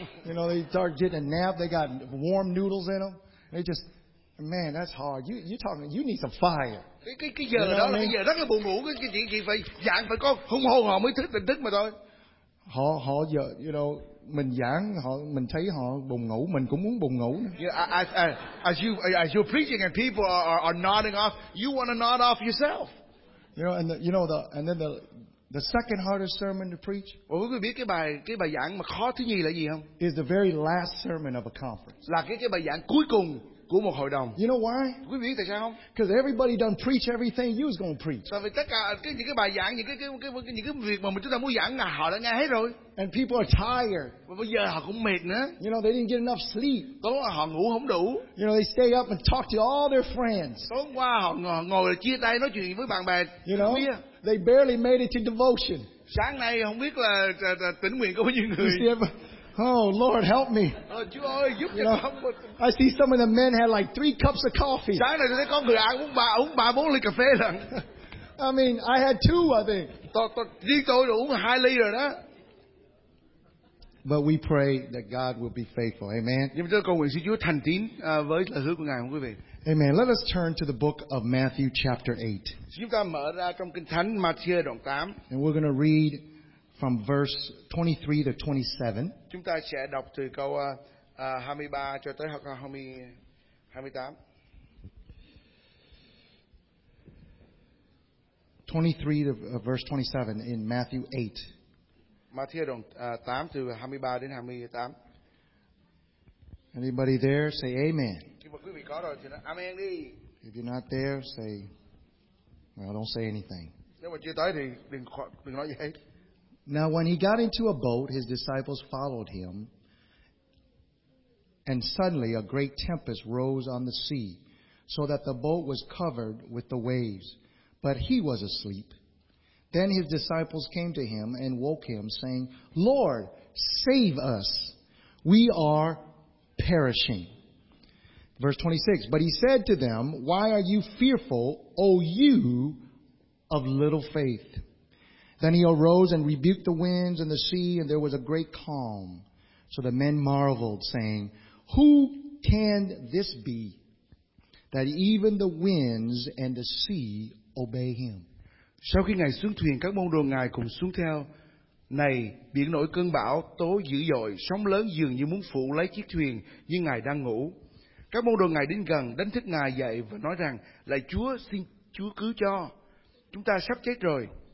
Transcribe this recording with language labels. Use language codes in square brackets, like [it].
[en] You know, they start getting a nap. They got warm noodles in them. They just, man, that's hard. You're talking. You need some fire. [vi] Cái giờ đó là giờ rất là buồn ngủ. Cái chị phải giảng phải có hung hồn họ mới thích tỉnh thức mà thôi. Họ giờ, [en] you know, [vi] mình giảng họ mình thấy họ buồn ngủ, mình cũng muốn buồn ngủ. [en] Yeah, as you preaching and people are nodding off. You want to nod off yourself. You know, The second hardest sermon to preach. [vi] Quý vị biết cái bài giảng mà khó thứ nhì là gì không? [en] Is the very last sermon of a conference. [vi] Là cái bài giảng cuối cùng của một hội đồng. [en] You know why? [vi] Quý vị biết tại sao không? [en] Because everybody done preach everything you was going to preach. [vi] Tại vì tất cả những cái bài giảng những cái việc mà chúng ta muốn giảng là họ đã nghe hết rồi. [en] And people are tired. [vi] Và bây giờ họ cũng mệt nữa. [en] You know they didn't get enough sleep. [vi] Tối qua họ ngủ không đủ. [en] You know they stay up and talk to all their friends. [vi] Tối qua họ ngồi chia tay nói chuyện với bạn bè. [en] You know. They barely made it to devotion. [vi] Sáng nay không biết là tỉnh nguyện có bao nhiêu người. [en] Oh Lord, help me. [vi] Chúa ơi, giúp cho con. [en] I see some of the men had like 3 cups of coffee. [vi] Sáng nay thấy có người uống ba bốn ly cà phê lận. [en] I mean, I had 2, I think. [vi] Riêng tôi đã uống 2 ly rồi đó. [en] But we pray that God will be faithful. Amen. [vi] Nhưng tôi cầu nguyện Chúa thành tín với lời hứa của Ngài, quý vị. [en] Amen. Let us turn to the book of Matthew chapter 8. [vi] Chúng ta mở ra trong Kinh Thánh Matthew đoạn 8. [en] And we're going to read from verse 23 to 27. [vi] Chúng ta sẽ đọc từ câu 23 cho tới câu 28. [en] 23 to verse 27 in Matthew 8. [vi] Matthew 8 từ 23 đến 28. [en] Anybody there? Say amen. [vi] Nhưng mà quý vị có rồi thì nói amen đi. [en] If you're not there, say, well, don't say anything. [vi] Nếu mà chưa tới thì đừng nói gì hết. [en] Now, when he got into a boat, his disciples followed him. And suddenly, a great tempest rose on the sea, so that the boat was covered with the waves. But he was asleep. Then his disciples came to him and woke him, saying, Lord, save us. We are perishing. Verse 26, but he said to them, why are you fearful, O you of little faith? Then he arose and rebuked the winds and the sea, and there was a great calm. So the men marveled, saying, who can this be, that even the winds and the sea obey him? [vi] Sau khi Ngài xuống thuyền, các môn đồ Ngài cùng xuống theo. Này, biển nổi cơn bão, tố dữ dội, sóng lớn dường như muốn phủ lấy chiếc thuyền, như Ngài đang ngủ. Các môn đồ Ngài đến gần, đánh thức Ngài dậy và nói rằng, lạy Chúa, xin Chúa cứu cho. Chúng ta sắp chết rồi.